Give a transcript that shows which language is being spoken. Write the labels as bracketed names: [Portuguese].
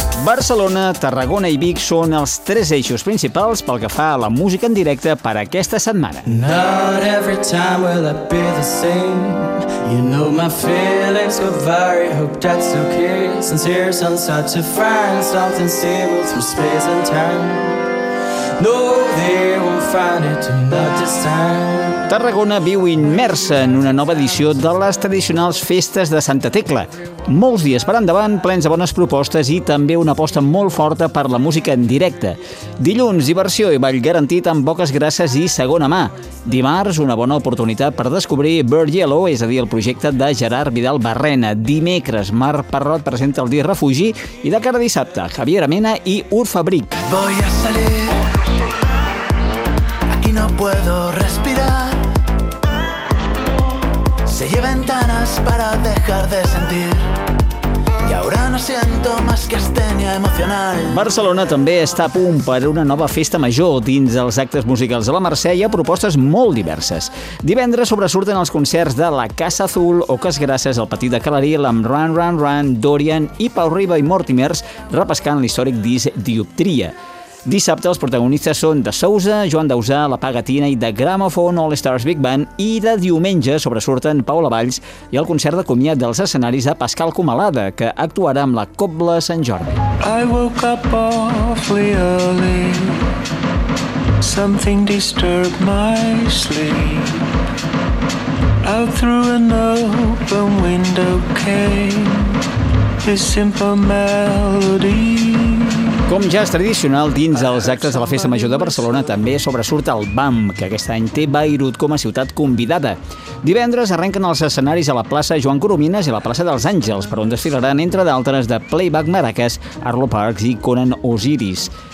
[Catalan] Barcelona, Tarragona i Vic són els tres eixos principals pel que fa a la música en directe per aquesta setmana. [English] Not every time will I be the same. You know my feelings go vary, hope that's okay. Sincere sun start to find something stable through space and time. No, they won't find it not this time. [Catalan] Tarragona viu immersa en una nova edició de les tradicionals festes de Santa Tecla. Molts dies per endavant, plens de bones propostes i també una aposta molt forta per la música en directe. Dilluns, diversió i ball garantit amb Boques Grasses i Segona Mà. Dimarts, una bona oportunitat per descobrir Bird Yellow, és a dir, el projecte de Gerard Vidal Barrena. Dimecres, Marc Parrot presenta el disc Refugi i de cara a dissabte, Javier Amena i Ur Fabric. [Spanish] Voy a salir. Aquí no puedo respirar. Se lleven tanas para dejar de sentir. Y ahora no siento más que astenia emocional. [Catalan] Barcelona també està a punt per una nova festa major dins els actes musicals de la Mercè i a propostes molt diverses. Divendres sobresurten els concerts de La Casa Azul, Oques Grasses, El Petit de Calaril, amb Run, Run, Run, Dorian i Pau Riba i Mortimers repescant l'històric disc Dioptria. Dissabte els protagonistes són de Sousa, Joan Dausà, La Pagatina i The Gramophone All Stars Big Band i de diumenge sobresurten Paula Valls i el concert de comiat dels escenaris de Pascal Comalada, que actuarà amb la Cobla Sant Jordi. [English] I woke up awfully early. Something disturbed my sleep. Out through an open window came this simple melody. [Catalan] Com ja és tradicional, dins dels actes de la Festa Major de Barcelona també sobresurt el BAM, que aquest any té Beirut com a ciutat convidada. Divendres arrenquen els escenaris a la plaça Joan Coromines i a la plaça dels Àngels, per on desfilaran, entre d'altres, de Playback Maracas, Arlo Parks i Conan Osiris.